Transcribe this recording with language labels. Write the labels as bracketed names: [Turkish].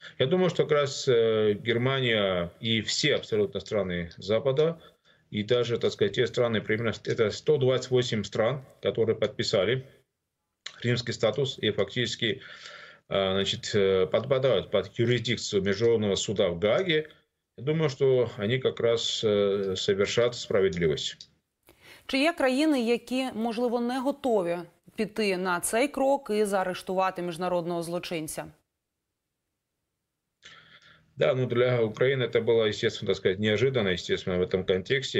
[Russian] Я думаю, что как раз Германия и все абсолютно страны Запада, и даже, так сказать, те страны, примерно это 128 стран, которые подписали римский статус и фактически подпадают под юрисдикцию Международного суда в Гааге, я думаю, что они как раз совершат справедливость. [Ukrainian] Чи є країни, які, можливо, не готові піти на цей крок і заарештувати міжнародного злочинця? [Russian] Да, [Ukrainian] ну для України це було, [Russian] естественно, так сказать, неожиданно, естественно, в этом контексте.